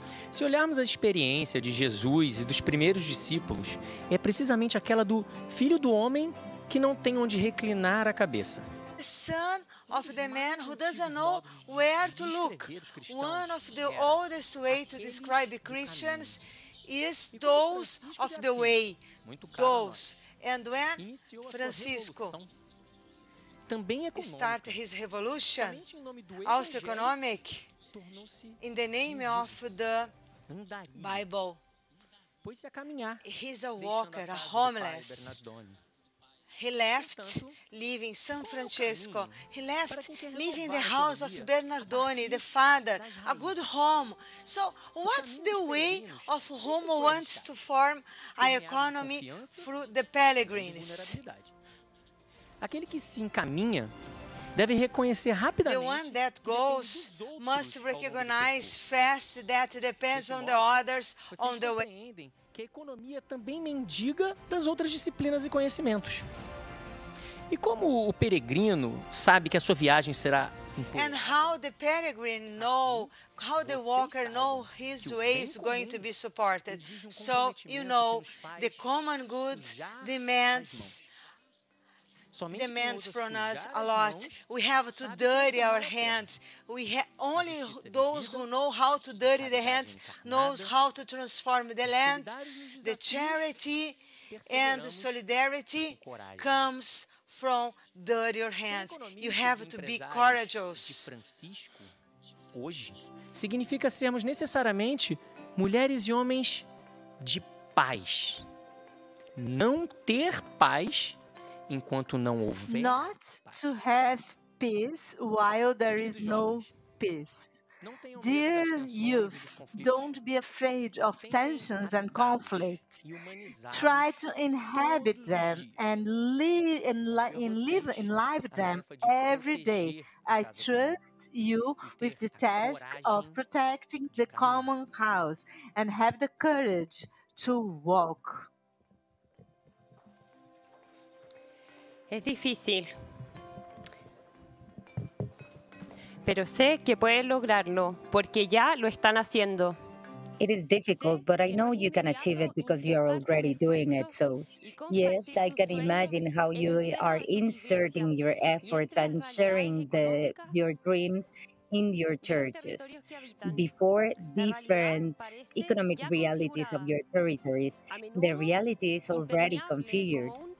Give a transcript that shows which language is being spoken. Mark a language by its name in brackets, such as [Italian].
[Portuguese] Se olharmos a experiência de Jesus e dos primeiros discípulos, é precisamente aquela do filho do homem que não tem onde reclinar a cabeça. [English] Son of the man who doesn't know where to look. One of the oldest way to describe Christians is those of the way. Those. And when Francisco start his revolution, also economic, in the name of the Bible, he's a walker, a homeless. He left living San Francisco. He left living the house of Bernardone, the father, a good home. So what's the way of whom wants to form an economy through the pilgrims? [Portuguese] Aquele que se encaminha deve reconhecer rapidamente. [English] The one that goes must recognize fast that depends on the others on the way. [Portuguese] Que a economia também mendiga das outras disciplinas e conhecimentos. E como o peregrino sabe que a sua viagem será [English] And how the peregrine know, how the walker know his way is going to be supported. So, you know, the common good demands from us a lot. We have to dirty our hands. Only those who know how to dirty their hands knows how to transform the land. The charity and solidarity comes from dirty your hands. You have to be courageous. [Portuguese] Hoje significa sermos necessariamente mulheres e homens de paz. Não ter paz enquanto não houver paz. [English] Not to have peace while there is no peace. Dear youth, don't be afraid of tensions and conflicts. Try to inhabit them and live them every day. I trust you with the task of protecting the common house and have the courage to walk. [Portuguese] É difícil. [Spanish] Pero sé que puedes lograrlo, porque ya lo están haciendo. [English] It is difficult, but I know you can achieve it because you are already doing it. So, yes, I can imagine how you are inserting your efforts and sharing your dreams in your churches. Before different economic realities of your territories, the reality is already configured.